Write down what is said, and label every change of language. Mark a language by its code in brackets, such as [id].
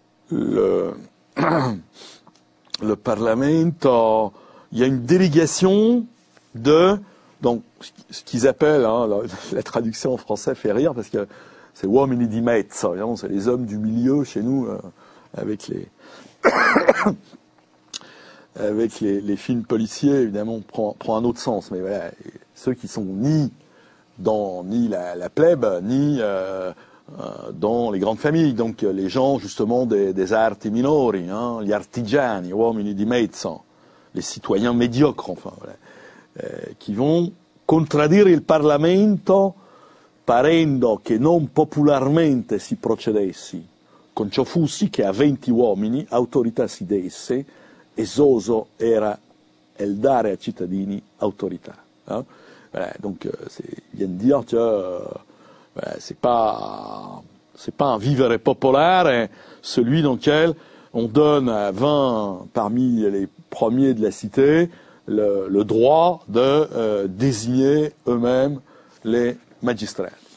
[fr] le Parlamento, il y a une délégation de, donc, ce qu'ils appellent, la traduction en français fait rire parce que c'est [it] uomini di mezzo, [fr] évidemment, c'est les hommes du milieu chez nous, avec les, avec les films policiers, évidemment, prend un autre sens. Mais voilà, ceux qui sont ni la plèbe, ni dans les grandes familles. Donc les gens, justement, des [it] arti minori, gli artigiani, uomini di mezzo, [fr] les citoyens médiocres, enfin, voilà, qui vont [it] contraddire il Parlamento parendo che non popolarmente si procedessi, con ciò fussi che a 20 uomini autorità si desse, esoso era il dare ai cittadini autorità. [fr] Voilà, donc, c'est, il vient de dire que c'est pas un vivere popolare, celui dans lequel on donne à 20 parmi les premiers de la cité le droit de désigner eux-mêmes les magistrats.